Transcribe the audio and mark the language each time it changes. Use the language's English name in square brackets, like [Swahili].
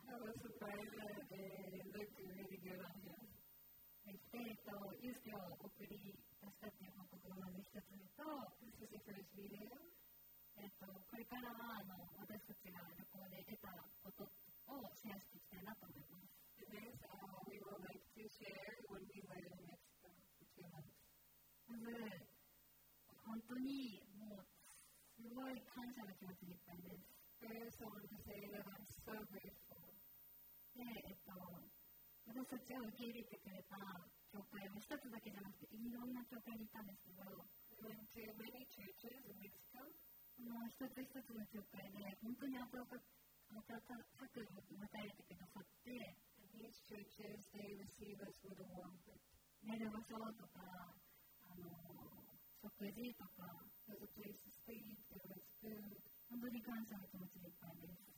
[English] That was surprising. Looked really good on you. [Japanese] ユースケを送り出したっていう報告をまず一つ目と、 [English] This is the first video. [Japanese] これからは私たちが旅行で得たことをシェアしていきたいなと思います。 [English] It means we would like to share when we learn the next two months. [Japanese] まず、本当にもうすごい感謝の気持ちでいっぱいです。 [English] First, I want to say that I'm so grateful. [Japanese] で、私たちが受け入れてくれた教会は一つだけじゃなくていろんな教会に行ったんですけど、 [English] went to many churches in Mexico. [Japanese] その一つ一つの教会で本当に温かく迎え入れてくださって、 [English] and these churches, they receive us with a warmth. [Japanese] 寝る場所とか食事とか、 [English] there's a place to stay, there's food. [Japanese] 本当に感謝の気持ちでいっぱいです。